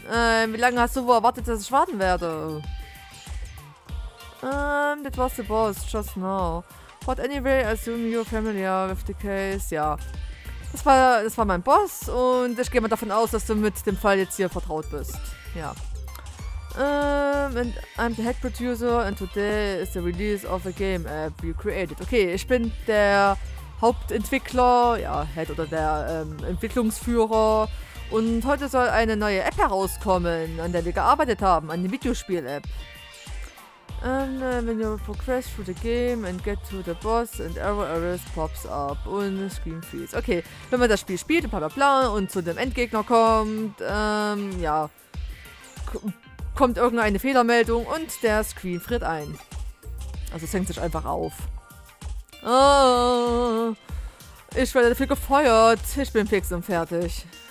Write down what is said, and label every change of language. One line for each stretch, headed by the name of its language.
German: Wie lange hast du wohl erwartet, dass ich warten werde?
English: That was the boss. Just now. But anyway, I assume you're familiar with the case.
German: Ja. Das war mein Boss und ich gehe mal davon aus, dass du mit dem Fall jetzt hier vertraut bist. Ja.
English: And I'm the hack producer and today is the release of a game app you created.
German: Okay, ich bin der Hauptentwickler, ja, Head oder der Entwicklungsführer und heute soll eine neue App herauskommen, an der wir gearbeitet haben, eine Videospiel-App.
English: When you progress through the game and get to the boss and errors pops up und screen freeze.
German: Okay, wenn man das Spiel spielt und blablabla und zu dem Endgegner kommt, ja, kommt irgendeine Fehlermeldung und der Screen friert ein. Also es hängt sich einfach auf. Oh, Ich werde dafür gefeuert. Ich bin fix und fertig.